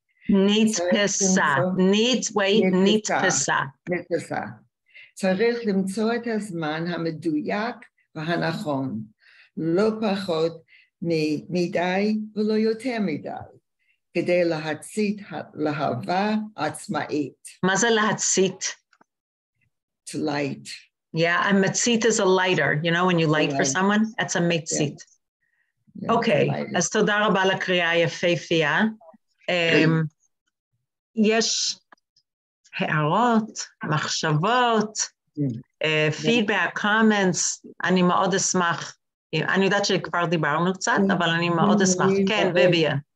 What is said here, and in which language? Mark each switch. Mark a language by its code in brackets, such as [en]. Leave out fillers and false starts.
[he] Nitpesa. צריך למצוא את הזמן המדויק והנכון, לא פחות מדי ולא יותר מדי, כדי להצית להבה עצמאית. מה זה להצית? [en] To light. Yeah, a metzit is a lighter. You know, when you light for someone, that's a metzit. [he] Okay, אז תודה רבה לקריאה יפהפייה. יש הערות, מחשבות, פידבק, קומנטס, אני מאוד אשמח, אני יודעת שכבר דיברנו קצת, אבל אני מאוד אשמח, כן, ביביה.